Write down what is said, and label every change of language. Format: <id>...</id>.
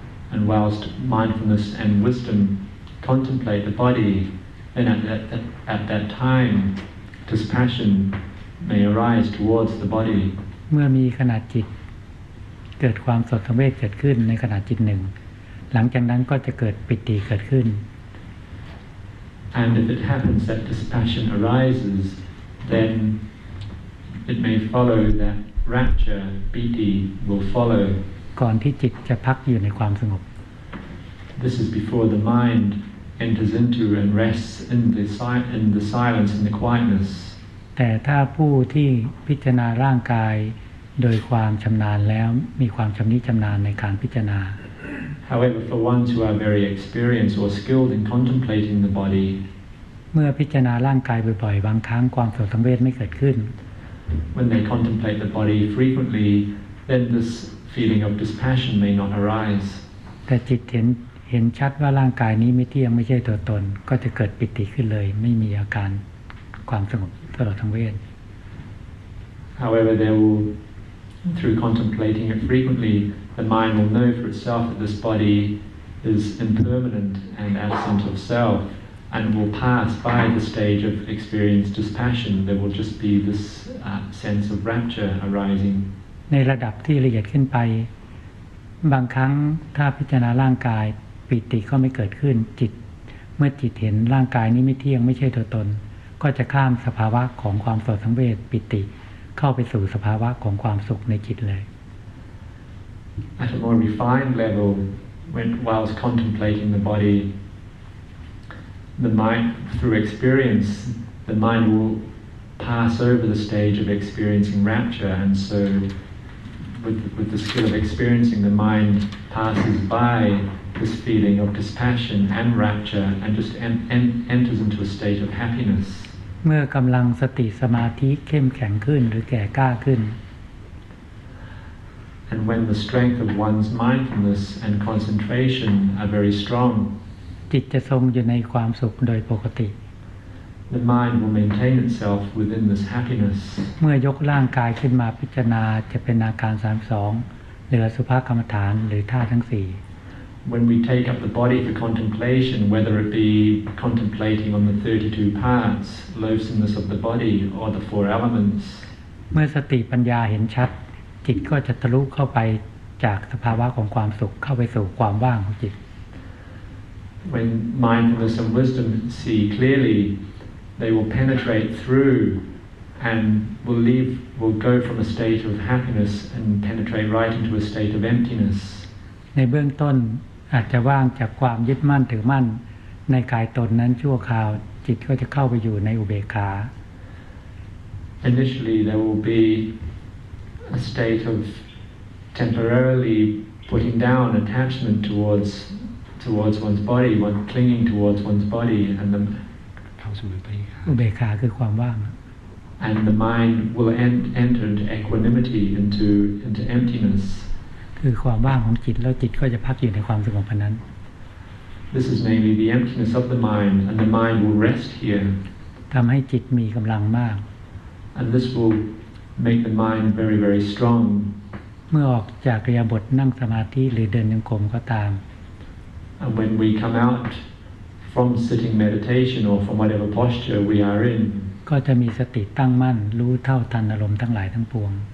<en>And whilst mindfulness and wisdom contemplate the body then at that time dispassion may arise towards the body</en> <th>เมื่อมีขณะจิตเกิดความสลดสังเวชเกิดขึ้นในขณะจิตหนึ่งหลังจากนั้นก็จะเกิดปิติเกิดขึ้น</th> <en>And if it happens that dispassion arises, then it may follow that rapture, piti, will follow.</en> <th>ก่อนที่จิตจะพักอยู่ในความสงบ</th> <en>This is before the mind enters into and rests in the silence and the quietness.</en> <th>แต่ถ้าผู้ที่พิจารณาร่างกายโดยความชำนาญแล้วมีความชำนิชำนาญในการพิจารณา</th> <en>However, for ones who are very experienced or skilled in contemplating the body,</en> <th>เมื่อพิจารณาร่างกายบ่อยๆบางครั้งความสลดสังเวชไม่เกิดขึ้น</th> <en>When they contemplate the body frequently, then this feeling of dispassion may not arise.</en> <th>แต่จิตเห็นชัดว่าร่างกายนี้ไม่เที่ยงไม่ใช่ตัวตนก็จะเกิดปิติขึ้นเลยไม่มีอาการความสงบสลดสังเวช</th> <en>However, there will, through contemplating it frequently. The mind will know for itself that this body is impermanent and absent of self, and will pass by the stage of experience dispassion. There will just be this sense of rapture arising.</en> <th>ในระดับที่ละเอียดขึ้นไปบางครั้งถ้าพิจารณาร่างกายปิติก็ไม่เกิดขึ้นจิตเมื่อจิตเห็นร่างกายนี้ไม่เที่ยงไม่ใช่ตัวตนก็จะข้ามสภาวะของความสลดสังเวชปิติเข้าไปสู่สภาวะของความสุขในจิตเลย</th> <en>At a more refined level, whilst contemplating the body, the mind, through experience, the mind will pass over the stage of experiencing rapture, and so with the skill of experiencing, the mind passes by this feeling of dispassion and rapture, and just enters into a state of happiness.</en> <th>เมื่อกำลังสติสมาธิเข้มแข็งขึ้นหรือแก่กล้าขึ้น</th> <en>And when the strength of one's mindfulness and concentration are very strong,</en> <th>จิตจะทรงอยู่ในความสุขโดยปกติ</th> <en>The mind will maintain itself within this happiness.</en> <th>เมื่อยกร่างกายขึ้นมาพิจารณาจะเป็นอาการ32เหลือสุภกรรมฐานหรือท่าทั้ง4</th> <en>When we take up the body for contemplation, whether it be contemplating on the 32 parts, loathsomeness of the body, or the four elements,</en> <th>เมื่อสติปัญญาเห็นชัดจิตก็จะทะลุเข้าไปจากสภาวะของความสุขเข้าไปสู่ความว่างของจิต</th> <en>When mindfulness and wisdom see clearly they will penetrate through and will go from a state of happiness and penetrate right into a state of emptiness</en> <th>ในเบื้องต้นอาจจะว่างจากความยึดมั่นถือมั่นในกายตนนั้นชั่วคราวจิตก็จะเข้าไปอยู่ในอุเบกขา</th> <en>Initially there will beA state of temporarily putting down attachment towards one's body, one clinging towards one's body, and the mind will enter into equanimity, into emptiness.</en> <th>คือความว่างของจิตแล้วจิตก็จะพักอยู่ในความสงบนั้น</th> <en>This is mainly the emptiness of the mind, and the mind will rest here.</en> <th>ทำให้จิตมีกำลังมาก</th> <en>And this will. Make the mind very, very strong.</en> <th>เมื่อออกจากอิริยาบถนั่งสมาธิหรือเดินจงกรมก็ตาม</th> <en>And when we come out from sitting meditation or from whatever posture we are in,</en> <th>ก็จะมีสติตั้งมั่นรู้เท่าทันอารมณ์ทั้งหลายทั้งปวง</th>